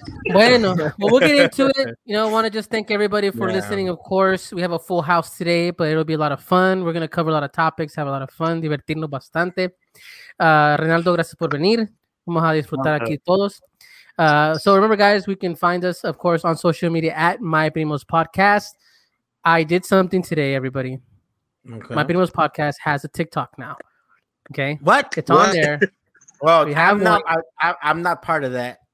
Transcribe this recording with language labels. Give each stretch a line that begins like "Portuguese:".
English: Bueno, well, we'll get into it. You know, I want to just thank everybody for listening. Of course, we have a full house today, but it'll be a lot of fun. We're going to cover a lot of topics, have a lot of fun,
Spanish: divertirnos bastante. Reinaldo, gracias por venir. Vamos a disfrutar aquí todos.
English: So remember, guys, we can find us, of course, on social media at My Primos Podcast. I did something today, everybody. Okay. My Primos Podcast has a TikTok now. Okay. What? It's on there. Well, we have I'm not part of that.